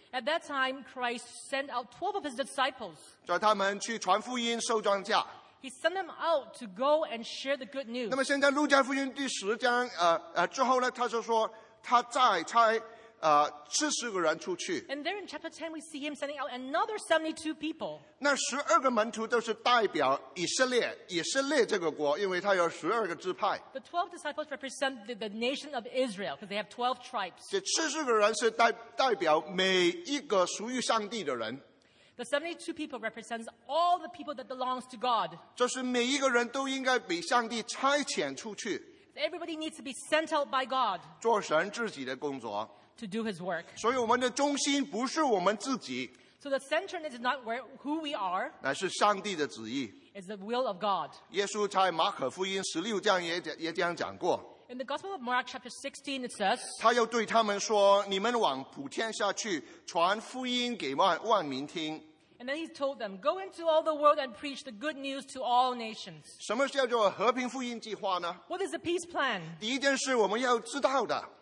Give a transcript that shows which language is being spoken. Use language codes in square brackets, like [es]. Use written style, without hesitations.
[en] At that time, Christ sent out 12 of his disciples. [zh] 叫他们去传福音、收庄稼。 [en] He sent them out to go and share the good news. [zh] 那么现在路加福音第十章之后呢，他就说他再差。七十个人出去。 [en] And there in chapter 10, we see him sending out another 72 people. [zh] 那十二个门徒都是代表以色列这个国，因为他有十二个支派。 [en] The 12 disciples represent the nation of Israel, because they have 12 tribes. [zh] 这七十个人是代表每一个属于上帝的人。 [en] The 72 people represents all the people that belongs to God. [zh] 这是每一个人都应该被上帝差遣出去。 [en] Everybody needs to be sent out by God. [zh] 做神自己的工作。 [en] To do His work. [zh] 所以我们的中心不是我们自己。 [en] So the center is not where, who we are. [zh] 乃是上帝的旨意。 [en] It's the will of God. [zh] 耶稣在马可福音16章也这样讲过。 [en] In the Gospel of Mark, chapter 16, it says, [zh] 他又对他们说, 你们往普天下去, 传福音给万民听。 [en] And then he told them, go into all the world and preach the good news to all nations. [zh] 什么叫做和平福音计划呢? [en] What is the peace plan? [zh] 第一件事我们要知道的,